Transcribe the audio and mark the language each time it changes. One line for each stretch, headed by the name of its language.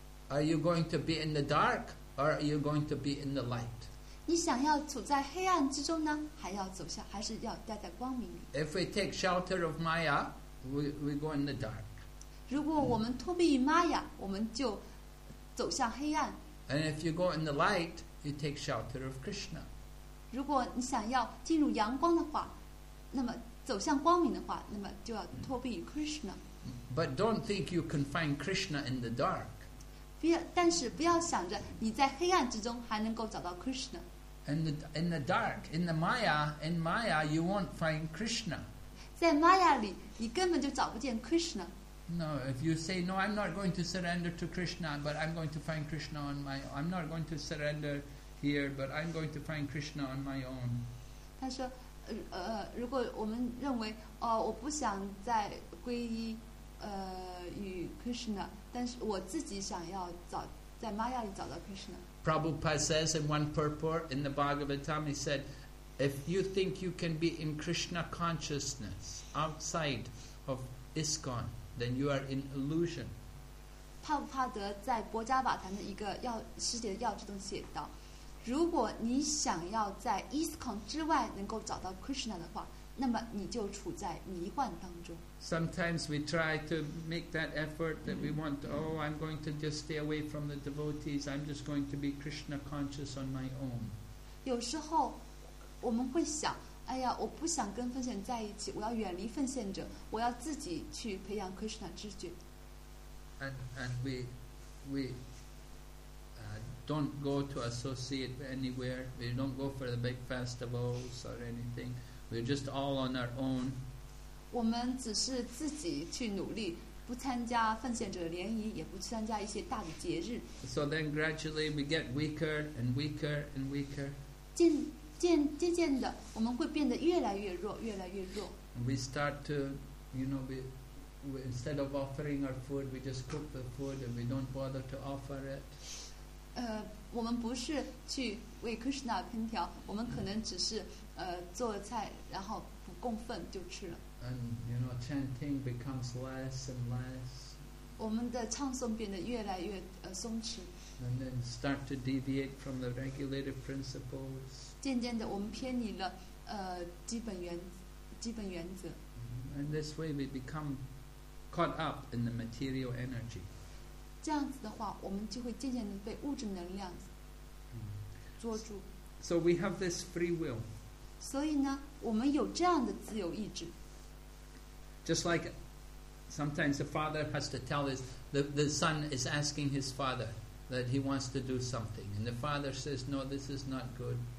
English: Are you going to be in the dark or are you going to be in the light?
Chinese: 你想要处在黑暗之中呢，还是要待在光明里？
English: If we take shelter of Maya, we go in the dark.
Chinese: 如果我们脱避于 Maya, 我们就走向黑暗。
English: And if you go in the light, you take shelter of Krishna.
Chinese: 如果你想要进入阳光的话，那么走向光明的话，那么就要脱避于 Krishna。
English: But don't think you can find Krishna in the dark.
Chinese: 但是不要想着你在黑暗之中还能够找到 Krishna.
English: In the dark, in Maya, you won't find Krishna.
Chinese: 在 Maya 里，你根本就找不见 Krishna.
English: No, if you say no, I'm not going to surrender to Krishna, but I'm going to find Krishna on my own. I'm not going to surrender here, but I'm going to find Krishna on my own.
Chinese: 他说，如果我们认为，我不想再皈依。与 Krishna， 但是我自己想要找在 Maya 里找到 Krishna。
English: Prabhupada says in one purport in the Bhagavatam, he said, if you think you can be in Krishna consciousness outside of ISKCON, then you are in illusion。
Chinese: 帕布帕德在《博迦瓦坛》的一个要师姐的要旨中写道，如果你想要在 ISKCON 之外能够找到 Krishna 的话，那么你就处在迷幻当中。
English: Sometimes we try to make that effort that we want. Oh, I'm going to just stay away from the devotees. I'm just going to be Krishna conscious on my own.
Chinese: 有时候我们会想，哎呀，我不想跟奉献在一起，我要远离奉献者，我要自己去培养 Krishna 知觉。
English: And we don't go to associate anywhere. We don't go for the big festivals or anything. We're just all on our own.
Chinese: 我们只是自己去努力，不参加奉献者联谊，也不参加一些大的节日。
English: So then gradually we get weaker and weaker and weaker.
Chinese: 渐渐的，我们会变得越来越弱，越来越弱。
English: We start to, you know, we instead of offering our food, we just cook the food and we don't bother to offer it.
Chinese: 我们不是去为 Krishna 烹调，我们可能只是做菜，然后不供奉就吃了。
English: And you know, chanting becomes less and less.
Chinese: 我们的唱诵变得越来越松弛。
English: And then start to deviate from the regulative principles.
Chinese: 渐渐的，我们偏离了基本原则。
English: And this way, we become caught up in the material energy.
Chinese: 这样子的话，我们就会渐渐的被物质能量捉住。
English: So we have this free will.
Chinese: 所以呢，我们有这样的自由意志。
English: Just like sometimes the father has to tell his, the son is asking his father that he wants to do something. And the father says, no, this is not good.